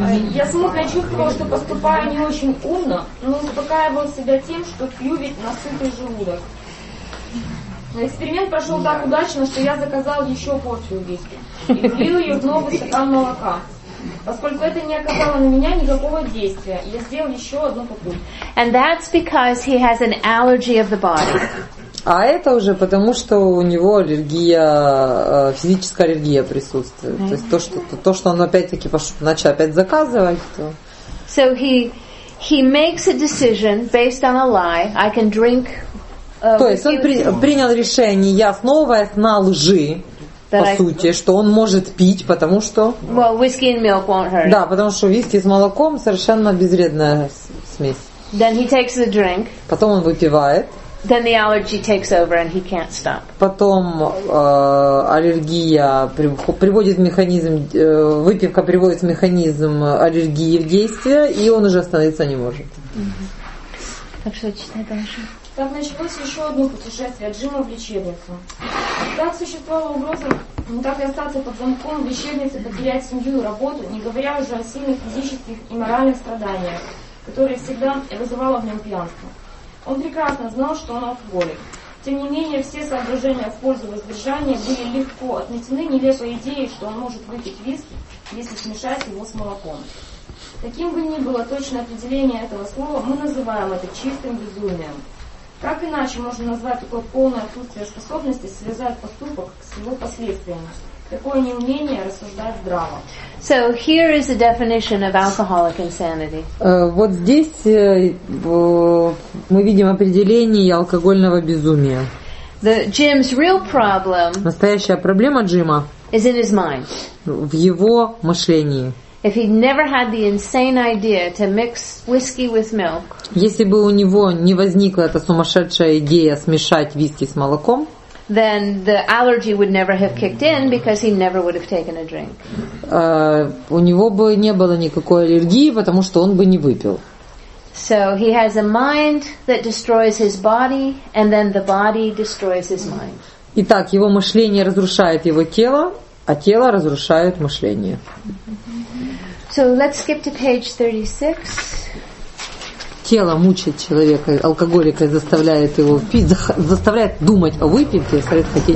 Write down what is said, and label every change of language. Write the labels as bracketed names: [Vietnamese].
[Russian] Я смутно чувствовала, что поступаю не очень умно, но успокаивал себя тем, что пью ведь на сытый желудок. Эксперимент прошел так удачно, что я заказал еще порцию виски и влил ее в новый стакан молока. поскольку это не оказало на меня никакого действия. Я сделал еще одну попытку. [English] And that's because he has an allergy of the body. [Russian] А это уже потому, что у него аллергия, физическая аллергия присутствует. Right. То есть то, что он опять-таки начал опять заказывать, то... [English] So he makes a decision based on a lie. I can drink. [Russian] То есть он принял решение, основываясь на лжи, по сути, что он может пить, потому что... [English] Well, whiskey and milk won't hurt. [Russian] Да, потому что виски с молоком совершенно безвредная смесь. [English] Then he takes the drink. [Russian] Потом он выпивает. [English] Then the allergy takes over and he can't stop. [Russian] Потом аллергия приводит механизм, выпивка приводит механизм аллергии в действие, и он уже остановиться не может. Mm-hmm. Так что читай дальше. Так началось еще одно путешествие от Джима в лечебницу. Так существовала угроза никак и остаться под замком в лечебнице, потерять семью и работу, не говоря уже о сильных физических и моральных страданиях, которые всегда вызывало в нем пьянство. Он прекрасно знал, что он алкоголик. Тем не менее, все соображения в пользу воздержания были легко отметены нелепой идеей, что он может выпить виски, если смешать его с молоком. Каким бы ни было точное определение этого слова, мы называем это чистым безумием. Как иначе можно назвать такое полное отсутствие способности связать поступок с его последствиями? Такое неумение рассуждать здраво. [English] So here is the definition of alcoholic insanity. [Russian] Вот здесь мы видим определение алкогольного безумия. [English] The Jim's real problem. [Russian] Настоящая проблема Джима. [English] Is in his mind. [Russian] В его мышлении. [English] If he'd never had the insane idea to mix whiskey with milk. [Russian] Если бы у него не возникла эта сумасшедшая идея смешать виски с молоком, [English] then the allergy would never have kicked in because he never would have taken a drink. [Russian] У него бы не было никакой аллергии, потому что он бы не выпил. [English] So he has a mind that destroys his body and then the body destroys his mind. [Russian] Итак, его мышление разрушает его тело, а тело разрушает мышление. [English] So let's skip to page 36. [Russian] Тело мучает человека, алкоголика, заставляет его пить, заставляет думать о выпивке, заставляет хотеть.